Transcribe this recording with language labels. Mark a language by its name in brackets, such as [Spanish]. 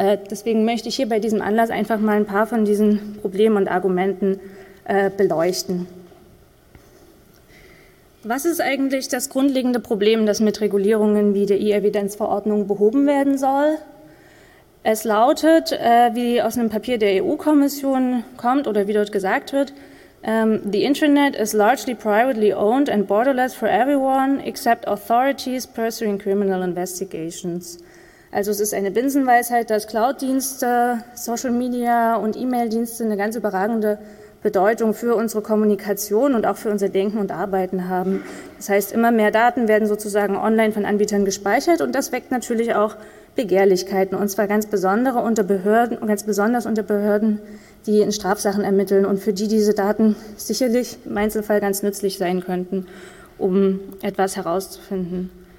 [German] Deswegen möchte ich hier bei diesem Anlass einfach mal ein paar von diesen Problemen und Argumenten beleuchten. Was ist eigentlich das grundlegende Problem, das mit Regulierungen wie der E-Evidenz-Verordnung behoben werden soll? Es lautet, wie aus einem Papier der EU-Kommission kommt oder wie dort gesagt wird, [English] The internet is largely privately owned and borderless for everyone except authorities pursuing criminal investigations. [German] Also es ist eine Binsenweisheit, dass Cloud-Dienste, Social Media und E-Mail-Dienste eine ganz überragende Bedeutung für unsere Kommunikation und auch für unser Denken und Arbeiten haben. Das heißt, immer mehr Daten werden sozusagen online von Anbietern gespeichert und das weckt natürlich auch Begehrlichkeiten, und zwar ganz besondere unter Behörden, ganz besonders unter Behörden, die in Strafsachen ermitteln und für die diese Daten sicherlich im Einzelfall ganz nützlich sein könnten, um etwas herauszufinden.